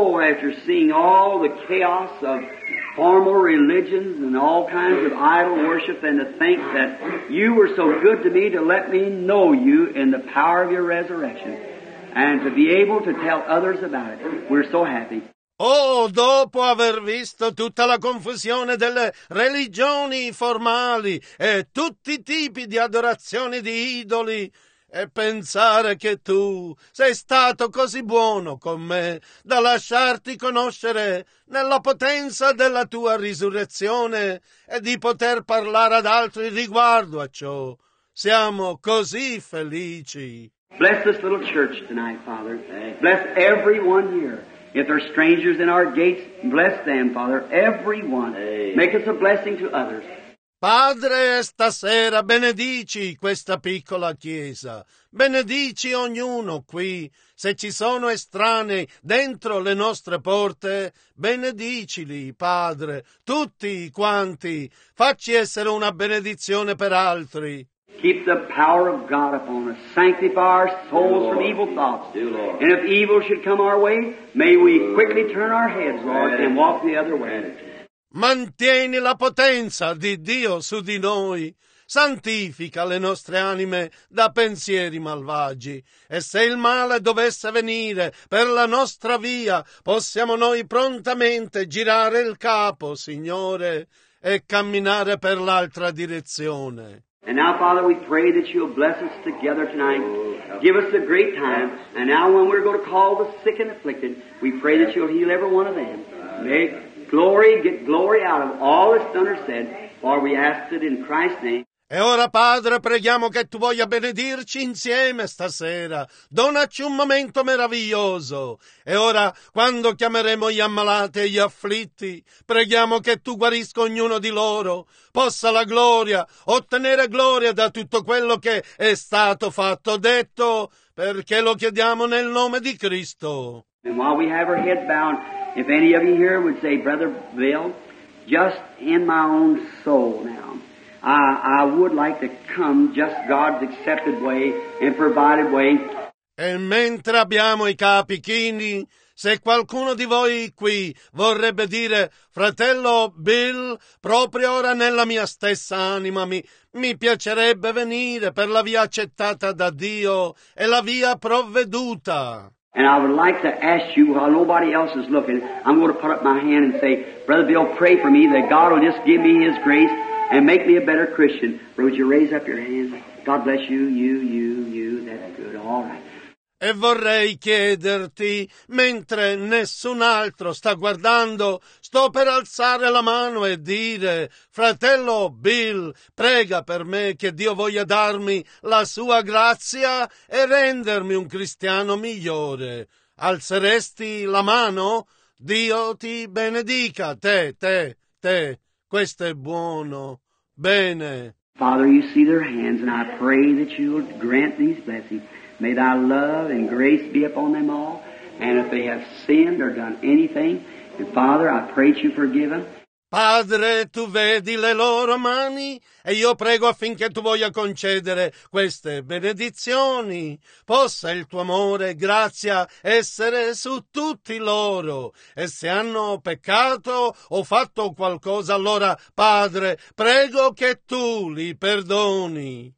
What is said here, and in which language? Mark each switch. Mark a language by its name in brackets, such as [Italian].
[English] After seeing all the chaos of formal religions and all kinds of idol worship, and to think that you were so good to me to let me know you in the power of your resurrection and to be able to tell others about it. We're so happy. [Italian] Oh, dopo aver visto tutta la confusione delle religioni formali e tutti i tipi di adorazioni di idoli, e pensare che tu sei stato così buono con me da lasciarti conoscere nella potenza della tua risurrezione e di poter parlare ad altri riguardo a ciò. Siamo così felici. [English] Bless this little church tonight, Father. Bless everyone here. If there are strangers in our gates, bless them, Father. Everyone. Make us a blessing to others. [Italian] Padre, stasera benedici questa piccola chiesa, benedici ognuno qui, se ci sono estranei dentro le nostre porte, benedicili, Padre, tutti quanti, facci essere una benedizione per altri. [English] Keep the power of God upon us, sanctify our souls from evil thoughts, and if evil should come our way, may we quickly turn our heads, Lord, and walk the other way. [Italian] Mantieni la potenza di Dio su di noi, santifica le nostre anime da pensieri malvagi, e se il male dovesse venire per la nostra via, possiamo noi prontamente girare il capo, Signore, e camminare per l'altra direzione. [English] And now, Father, we pray that you'll bless us together tonight. Give us a great time. And now when we're going to call the sick and afflicted, we pray that you'll heal every one of them. Make glory, get glory out of all that's done or said, for we ask it in Christ's name. [Italian] E ora, Padre, preghiamo che tu voglia benedirci insieme stasera. Donaci un momento meraviglioso. E ora, quando chiameremo gli ammalati e gli afflitti, preghiamo che tu guarisca ognuno di loro. Possa la gloria, ottenere gloria da tutto quello che è stato fatto, detto, perché lo chiediamo nel nome di Cristo. [English] And while we have our head bound, if any of you here would say, Brother Bill, just in my own soul now, I would like to come just God's accepted way and provided way. [Italian] E mentre abbiamo i capi chini, se qualcuno di voi qui vorrebbe dire, fratello Bill, proprio ora nella mia stessa anima mi piacerebbe venire per la via accettata da Dio e la via provveduta. [English] And I would like to ask you, while nobody else is looking, I'm going to put up my hand and say, Brother Bill, pray for me that God will just give me His grace and make me a better Christian. Would you raise up your hand? God bless you, you, that's good, all right. [Italian] E vorrei chiederti, mentre nessun altro sta guardando, sto per alzare la mano e dire, fratello Bill, prega per me che Dio voglia darmi la sua grazia e rendermi un cristiano migliore. Alzeresti la mano? Dio ti benedica, te, questo è buono, bene. [English] Father, you see their hands and I pray that you will grant these blessings. May thy love and grace be upon them all, and if they have sinned or done anything, and Father, I pray that you forgive them. [Italian] Padre, tu vedi le loro mani, e io prego affinché tu voglia concedere queste benedizioni. Possa il tuo amore e grazia essere su tutti loro. E se hanno peccato o fatto qualcosa, allora, Padre, prego che tu li perdoni.